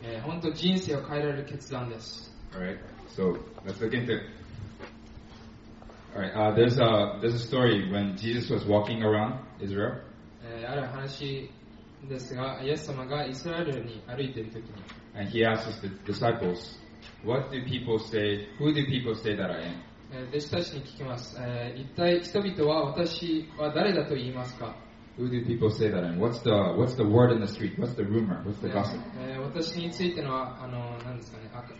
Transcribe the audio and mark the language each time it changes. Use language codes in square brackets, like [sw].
[ja] 本当人生を変えられる決断です。 [en] Alright, so let's look into it. All right. There's a story when Jesus was walking around Israel. [ja] ある話ですが、イエス様がイスラエルに歩いている時に。 [en] And he asked his disciples, "What do people say? Who do people say that I am?" [ja] 弟子たちに聞きます。一体人々は私は誰だと言いますか？ [en] Who do people say that I am? What's the word in the street? What's the rumor? What's the gossip? [ja] 私についてのは何ですかね？